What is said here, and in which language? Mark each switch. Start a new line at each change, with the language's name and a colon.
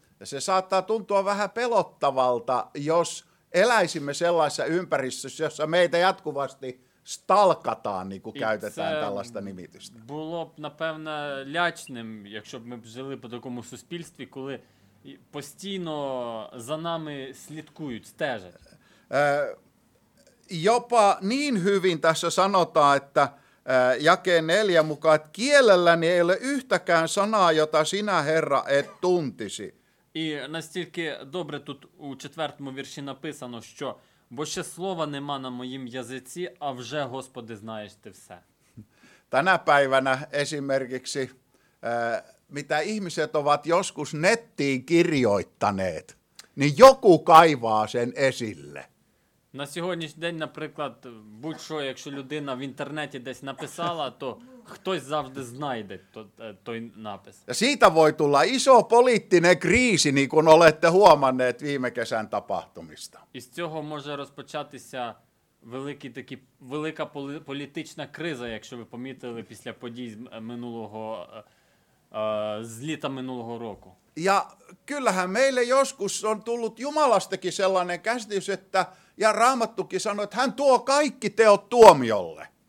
Finnish: Se saattaa tuntua vähän pelottavalta, jos eläisimme sellaisessa ympäristössä, jossa meitä jatkuvasti stalkataan, niin kuin käytetään tällaista nimitystä.
Ukrainian: Було б, напевно, лячним, якщо б ми жили по такому суспільстві, коли постійно за нами слідкують, стежать.
Finnish: Jopa niin hyvin tässä sanotaan, että jakeen 4 mukaan, että kielelläni ei ole yhtäkään sanaa, jota sinä, Herra, et tuntisi.
Ukrainian: І настільки добре тут у четвертому вірші написано, що бо ще слова нема на моїм язиці, а вже, Господи, знаєш ти все.
Finnish: Tänä päivänä esimerkiksi, mitä ihmiset ovat joskus nettiin kirjoittaneet, niin joku kaivaa sen esille.
Ukrainian: На сьогоднішній день, наприклад, будь-що, якщо людина в інтернеті десь написала, то хтось завжди знайде той напис.
Finnish: Ja siitä voi tulla iso poliittinen kriisi, niin kuin olette huomanneet viime kesän tapahtumista.
Ukrainian: Із цього може розпочатися велика політична криза, якщо ви помітили після подій минулого з літа минулого року.
Finnish: Ja kyllähän meille joskus on tullut Jumalastakin sellainen käsitys, että ja Raamattukin sanoi, että hän tuo kaikki teot tuomiolle.